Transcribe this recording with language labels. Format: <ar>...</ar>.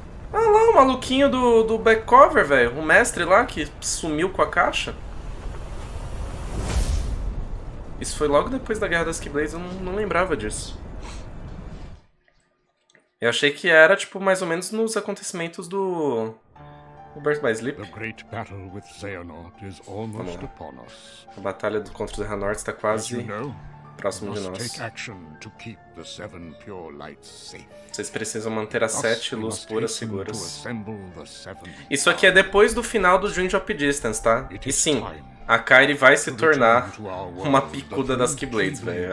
<pt>Ah lá, o maluquinho do back cover, velho. O mestre lá que sumiu com a caixa. Isso foi logo depois da Guerra das Keyblades, eu não lembrava disso. Eu achei que era, tipo, mais ou menos nos acontecimentos do... O Birth by Sleep.</pt> <en>The great battle with Xehanort is almost upon us.</en> <pt>A batalha contra o Xehanort está quase próximo de nós. Vocês precisam manter as sete luzes puras seguras. Isso aqui é depois do final do Dream Drop Distance, tá? E sim, a Kairi vai se tornar uma picuda das Keyblades, velho.</pt>